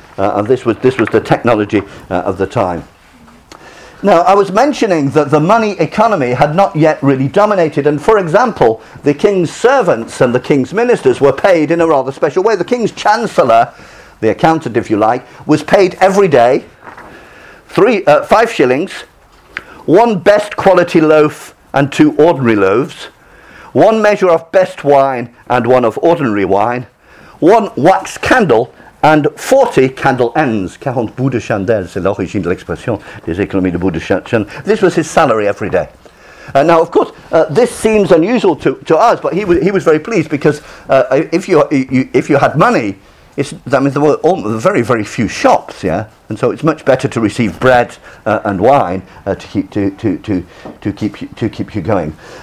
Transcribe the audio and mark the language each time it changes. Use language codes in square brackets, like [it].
[en] And this was the technology of the time. Now, I was mentioning that the money economy had not yet really dominated, and for example, the king's servants and the king's ministers were paid in a rather special way. The king's chancellor, the accountant, if you like, was paid every day 5 shillings, one best quality loaf and 2 ordinary loaves, one measure of best wine and one of ordinary wine, one wax candle and 40 candle ends. [fr] 40 bouts de chandelle, c'est l'origine de l'expression des économies de bouts de chandelle. [en] This was his salary every day. Now, of course, this seems unusual to us, but he was very pleased because if you had money, there were very, very few shops, yeah? And so it's much better to receive bread and wine to keep you going.